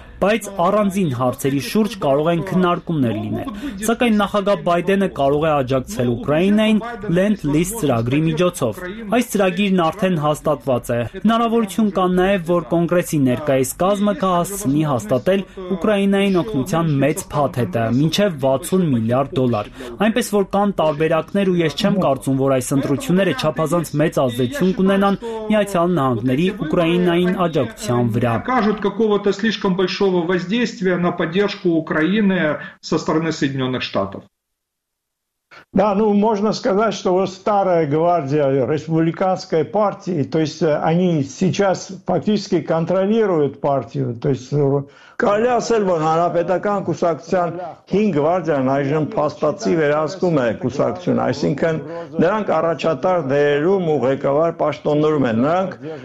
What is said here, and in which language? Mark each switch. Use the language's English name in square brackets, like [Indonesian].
[Armenian] բայց առանձին հարցերի շուրջ կարող են քննարկումներ լինել։ Սակայն նախագահ Բայդենը կարող է աջակցել Ուկրաինային Lend-Lease ծրագրի միջոցով։ Այս ծրագիրն արդեն հաստատված է։ Հնարավորություն կա նաև, որ կոնգրեսի ներկայիս կազմը կհասցնի հաստատել Ուկրաինային օգնության մեծ փաթեթը, մինչև 60 միլիարդ դոլար։ Այնպես որ կան տարբերակներ, ու ես չեմ կարծում, որ այս ընտրությունները չափազանց մեծ ազդեցություն կունենան Միացյալ Նահանգների Ուկրաինային աջակցության վրա։ [Russian] Большого воздействия на поддержку Украины со стороны Соединенных Штатов. Да, ну можно сказать, что вот старая гвардия республиканской партии, то есть [Armenian] они сейчас фактически контролируют партию, то есть Կարելի ասել, որ հանրապետական կուսակցության հին գվարդիան այժմ փաստացի վերահսկում է կուսակցությունը, այսինքն նրանք առաջատար դերերում ու ղեկավար պաշտոններում են, նրանք